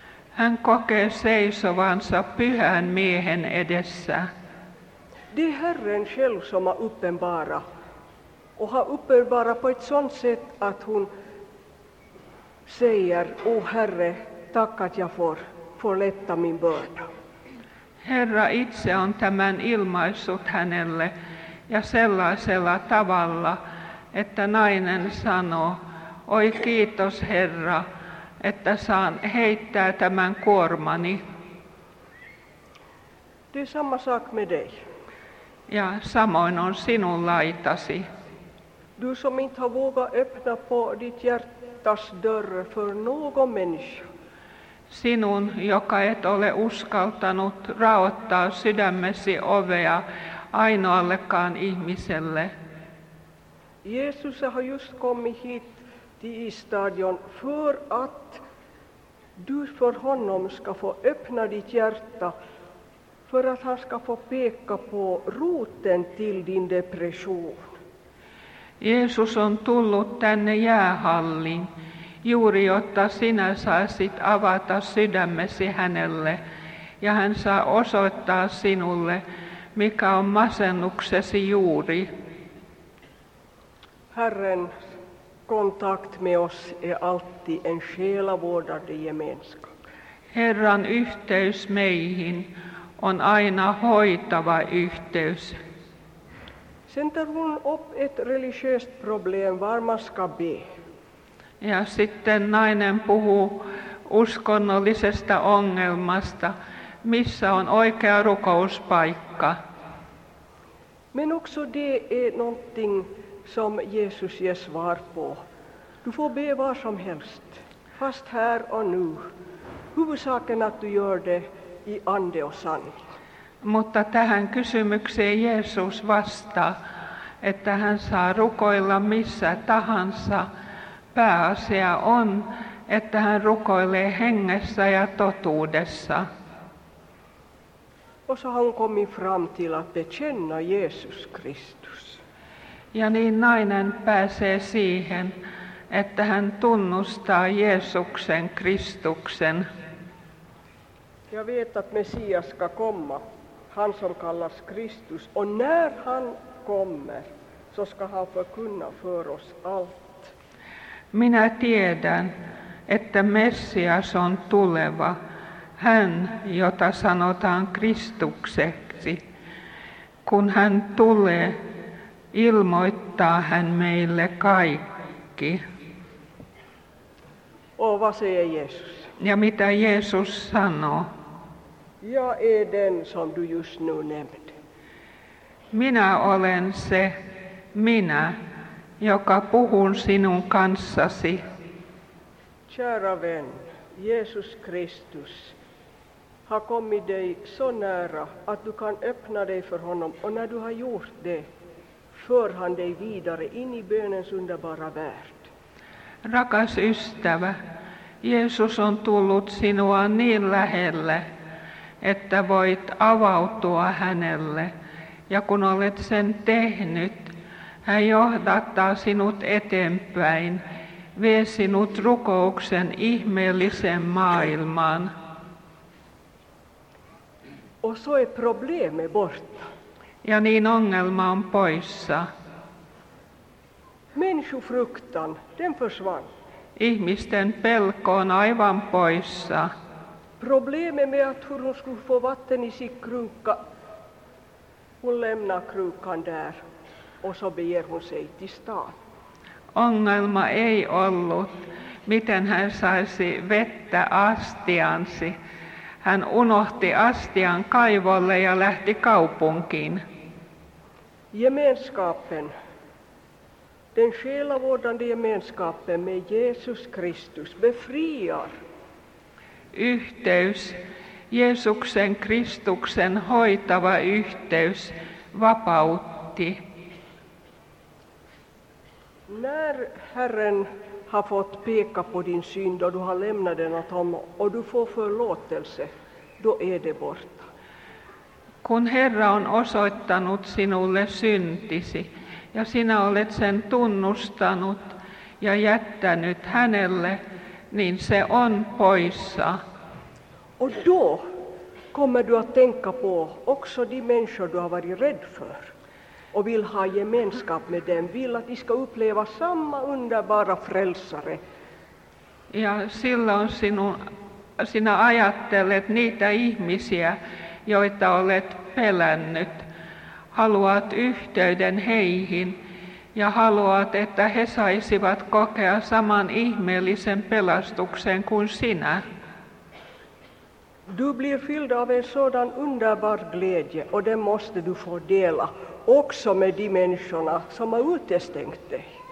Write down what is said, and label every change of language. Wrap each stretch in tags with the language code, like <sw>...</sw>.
<fi>Hän kokee seisovansa pyhän miehen edessä.</fi> <sv>Det är Herren själv som har uppenbara. Och har uppenbara på ett sånt sätt att hon säger, o Herre, takkat ja for letta min börda.</sv> <fi>Herra itse on tämän ilmaissut hänelle ja sellaisella tavalla, että nainen sanoo, oi kiitos Herra, että saan heittää tämän kuormani.</fi> <sv>Det är samma sak med dig.</sv> <fi>Ja samoin on sinun laitasi.</fi> <sv>Du som inte har vågat öppna på ditt hjärtas dörr för någon människa.</sv> <fi>sinun, joka et ole uskaltanut raottaa sydämesi ovea ainoallekaan ihmiselle.</fi> <sv>Jesus har just kommit hit till stadion för att du för honom ska få öppna ditt hjärta, för att han ska få peka på roten till din depression.</sv> <fi>Jesus on tullut tänne jäähalliin juuri jotta sinä saisit avata sydämesi hänelle ja hän saa osoittaa sinulle, mikä on masennuksesi juuri.</fi> <sv>Herren kontakt med oss är alltid en själavårdande gemenskap.</sv> <fi>Herran yhteys meihin on aina hoitava yhteys.</fi> <sv>Sen tar hon upp ett religiöst problem, var man ska be.</sv> <fi>Ja sitten nainen puhuu uskonnollisesta ongelmasta, missä on oikea rukouspaikka.</fi> <sv>Men också det är någonting som Jesus ger svar på. Du får be var som helst, fast här och nu. Huvudsaken att du gör det i ande och sanning.</sv> <fi>Mutta tähän kysymykseen Jeesus vastaa, että hän saa rukoilla missä tahansa. Pääasia on, että hän rukoilee hengessä ja totuudessa.</fi> <sv>Och så har hon kommit fram till att bekänna Jesus Kristus.</sv> <fi>Ja niin nainen pääsee siihen, että hän tunnustaa Jeesuksen Kristuksen.</fi> <sv>Ja vet att Messias ska komma, han som kallas Kristus. Och när han kommer, så ska han förkunna för oss allt.</sv> <fi>Minä tiedän, että Messias on tuleva, hän, jota sanotaan Kristukseksi. Kun hän tulee, ilmoittaa hän meille kaikki.</fi> <sv>Och vad säger Jesus?</sv> <fi>Ja mitä Jeesus sanoo?</fi> <sv>Jag är den som du just nu nämnde.</sv> <fi>Minä olen se minä, joka puhun sinun kanssasi.</fi> <sv>Kära vän, Jesus Kristus har kommit dig så nära att du kan öppna dig för honom. Och när du har gjort det, för han dig vidare in i bönens underbara värld.</sv> <fi>Rakas ystävä, Jeesus on tullut sinua niin lähelle, että voit avautua hänelle. Ja kun olet sen tehnyt, hän johdattaa sinut eteenpäin, vie sinut rukouksen ihmeelliseen maailmaan.</fi> <sv>Och så är problemet borta.</sv> <fi>Ja niin ongelma on poissa.</fi> <sv>Människofruktan, den försvann.</sv> <fi>Ihmisten pelko on aivan poissa.</fi> <sv>Problemet med att hur hon skulle få vatten i sin krukka, hon lämnar krukan där och så beger hon sig till stan.</sv> <fi>Ongelma ei ollut, miten hän saisi vettä astiansi. Hän unohti astian kaivolle ja lähti kaupunkiin.</fi> <sv>Gemenskapen. Den själavårdande gemenskapen med Jesus Kristus befriar.</sv> <fi>Yhteys, Jeesuksen Kristuksen hoitava yhteys, vapautti.</fi> <sv>När Herren har fått peka på din synd och du har lämnat den åt honom och du får förlåtelse, då är det borta.</sv> <fi>Kun Herra on osoittanut sinulle syntisi, ja sinä olet sen tunnustanut ja jättänyt hänelle, niin se on poissa.</fi> <sv>Och då kommer du att tänka på också de människor du har varit rädd för och vill ha gemenskap med dem, vill att de ska uppleva samma underbara frälsare.</sv> <fi>Ja silloin sinä ajattelet niitä ihmisiä, joita olet pelännyt. Haluat yhteyden heihin ja haluat, että he saisivat kokea saman ihmeellisen pelastuksen kuin sinä.</fi> <sv>Du blir fylld av en sådan underbar glädje och den måste du få dela också med de människorna som har utestängt dig.</sv>